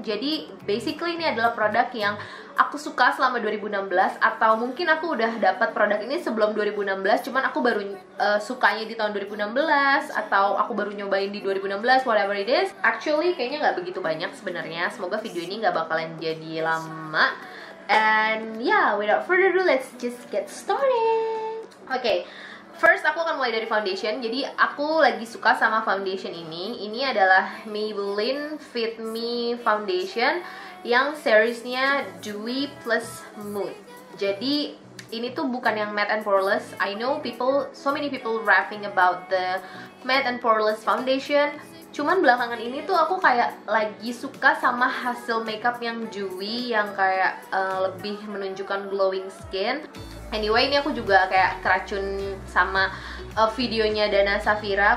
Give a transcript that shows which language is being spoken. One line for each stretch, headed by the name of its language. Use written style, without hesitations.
Indonesian: Jadi basically ini adalah produk yang aku suka selama 2016, atau mungkin aku udah dapat produk ini sebelum 2016, cuman aku baru sukanya di tahun 2016, atau aku baru nyobain di 2016,
English: whatever it is.
Indonesian: Actually kayaknya nggak begitu banyak sebenarnya. Semoga video ini nggak bakalan jadi lama.
English: And yeah, without further ado, let's just get started.
Indonesian: Okay, first aku akan mulai dari foundation. Jadi aku lagi suka sama foundation ini. Ini adalah Maybelline Fit Me Foundation yang seriesnya Dewy Plus Mood. Jadi ini tuh bukan yang matte and poreless.
English: I know people, so many people raving about the matte and poreless foundation.
Indonesian: Cuman belakangan ini tuh aku kayak lagi suka sama hasil makeup yang dewy, yang kayak lebih menunjukkan glowing skin. Anyway, ini aku juga kayak keracun sama videonya Dana Safira.